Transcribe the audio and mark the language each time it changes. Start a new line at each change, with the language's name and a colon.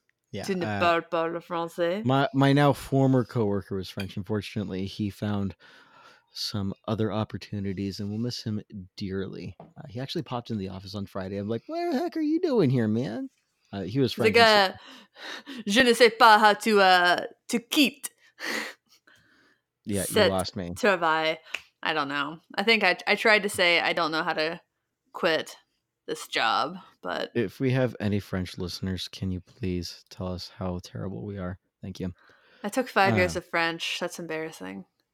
French: Yeah, tu ne parles pas le français.
English: My now former coworker was French. Unfortunately, he found some other opportunities and we'll miss him dearly. He actually popped in the office on Friday. I'm like, what the heck are you doing here, man? He was French.
French: Like, je ne sais pas
English: how to
French: quitte.
English: Yeah, you lost me. I don't know. I think I tried to say I don't know how to quit this job. But if we have any French listeners, can you please tell us how terrible we are? Thank you. I took 5 years of French. That's embarrassing.